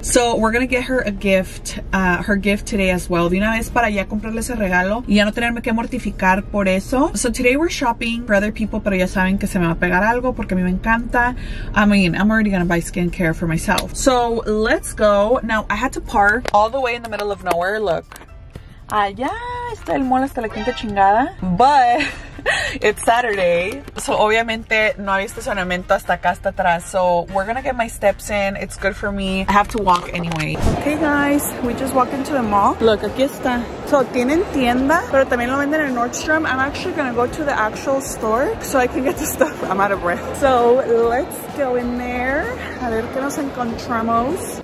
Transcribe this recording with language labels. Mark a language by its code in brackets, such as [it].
[en] So we're gonna get her a gift, her gift today as well. [es] De una vez para ya comprarle ese regalo y ya no tenerme que mortificar por eso. [en] So today we're shopping for other people, [es] pero ya saben que se me va a pegar algo porque a mí me encanta. [en] I mean, I'm already gonna buy skincare for myself. So let's go. Now I had to park all the way in the middle of nowhere. Look, [es] allá está el mall hasta la quinta chingada. [en] But it's Saturday, so [es] obviamente no hay estacionamiento hasta acá, hasta atrás. [en] So we're gonna get my steps in. It's good for me. I have to walk anyway. Okay, guys, we just walked into the mall. Look, [es] aquí está. So tienen tienda, pero también lo venden en Nordstrom. [en] I'm actually gonna go to the actual store so I can get the stuff. I'm out of breath. So let's go in there. [es] A ver qué nos encontramos.